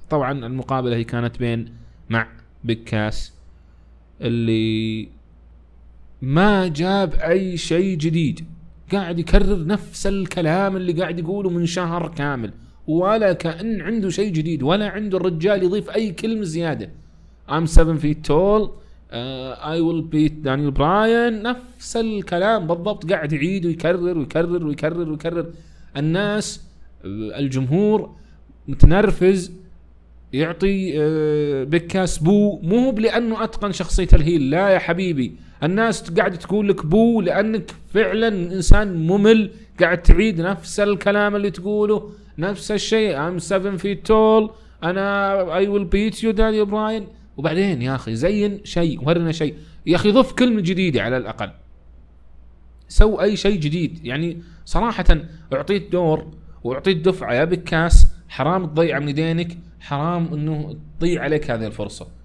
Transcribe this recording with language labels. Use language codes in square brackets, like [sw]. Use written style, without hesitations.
[ar] طبعا المقابلة هي كانت بين مع بكاس اللي ما جاب اي شيء جديد، قاعد يكرر نفس الكلام اللي قاعد يقوله من شهر كامل ولا كان عنده شيء جديد ولا عنده الرجال يضيف اي كلمه زياده. [en] I'm 7 feet tall I will beat Daniel Bryan. [ar] نفس الكلام بالضبط قاعد يعيد ويكرر ويكرر ويكرر ويكرر. الناس الجمهور متنرفز يعطي بكاس بو، مو لانه اتقن شخصية الهيل، لا يا حبيبي. الناس قاعدة تقول لك بو لانك فعلا انسان ممل، قاعد تعيد نفس الكلام اللي تقوله نفس الشيء. [en] I'm 7 feet tall انا I will beat you Daniel Bryan. [ar] وبعدين يا اخي زين شيء ورنا شيء يا اخي، ضف كلمة جديدة على الاقل، سو اي شيء جديد. يعني صراحة اعطيت دور واعطيت دفعة يا بكاس، حرام تضيع من دينك، حرام انه تضيع عليك هذه الفرصة.